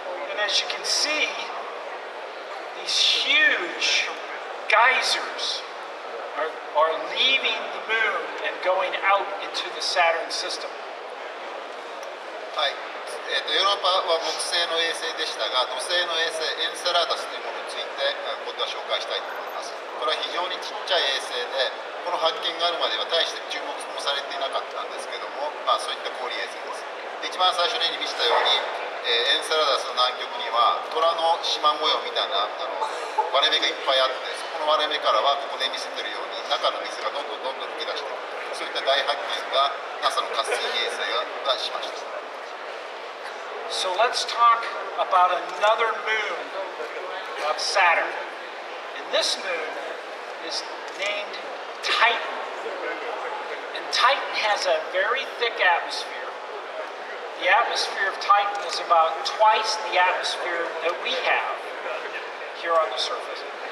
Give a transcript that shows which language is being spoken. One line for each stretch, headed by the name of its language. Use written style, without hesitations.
English: And as you can see, these huge geysers are leaving the moon and going out into the Saturn system.
Japanese: はい、ヨーロッパは木星の衛星でしたが、土星の衛星エンセラダスというものについて今度は紹介したいと思います。これは非常にちっちゃい衛星で、この発見があるまでは大して注目もされていなかったんですけども、まあ、そういった氷衛星です。で、一番最初に見せたように、エンセラダスの南極には虎の縞模様みたいな割れ目がいっぱいあって、そこの割れ目からはここで見せているように中の水がどんどんどんどん噴き出していく。そういった大発見が NASA の火星衛星が出しました。
English: So let's talk about another moon of Saturn. And this moon is named Titan. And Titan has a very thick atmosphere. The atmosphere of Titan is about twice the atmosphere that we have here on the surface.